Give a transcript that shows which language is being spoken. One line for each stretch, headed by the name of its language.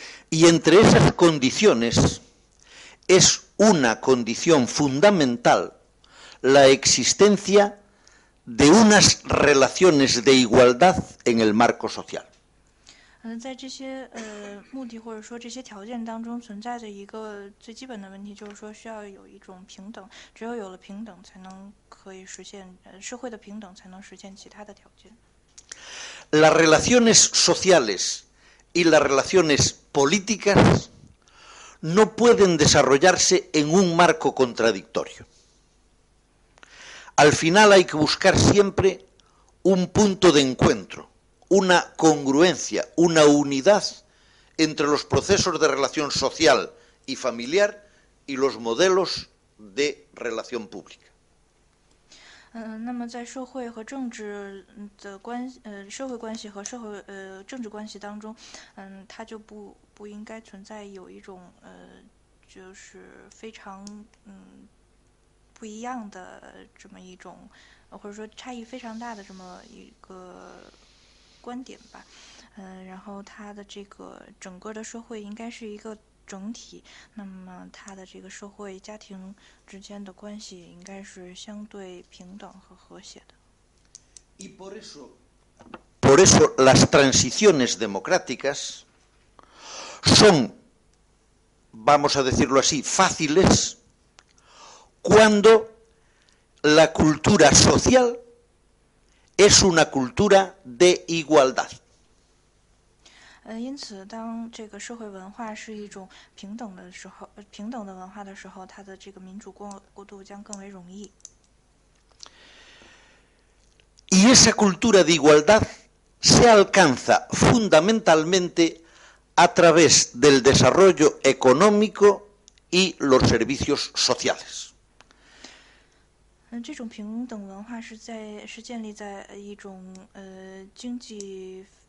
Spanish: Y entre esas condiciones es una condición fundamental la existencia de unas relaciones de igualdad en el marco social.
Chinese: 在这些目的或者说这些条件当中存在的一个最基本的问题，就是说需要有一种平等，只有有了平等，才能可以实现社会的平等，才能实现其他的条件。
Spanish: Las relaciones sociales y las relaciones políticas no pueden desarrollarse en un marco contradictorio. Al final hay que buscar siempre un punto de encuentro, una congruencia, una unidad entre los procesos de relación social y familiar y los modelos de relación pública.
Chinese: 那么在社会和政治的关系，社会关系和社会政治关系当中，它就不应该存在有一种就是非常不一样的这么一种，或者说差异非常大的这么一个观点吧。然后它的这个整个的社会应该是一个整体，那么他的这个社会家庭之间的关系应该是相对平等和和谐的。
Spanish: Y por eso las transiciones democráticas son, vamos a decirlo así, fáciles cuando la cultura social es una cultura de igualdad.
Chinese: 因此当这个社会文化是一种平等的时候，平等的文化的时候，它的这个民主过渡将更为容易。
Spanish: Y esa cultura de igualdad se alcanza fundamentalmente a través del desarrollo económico y los servicios sociales.
Chinese: 这种平等文化是建立在一种经济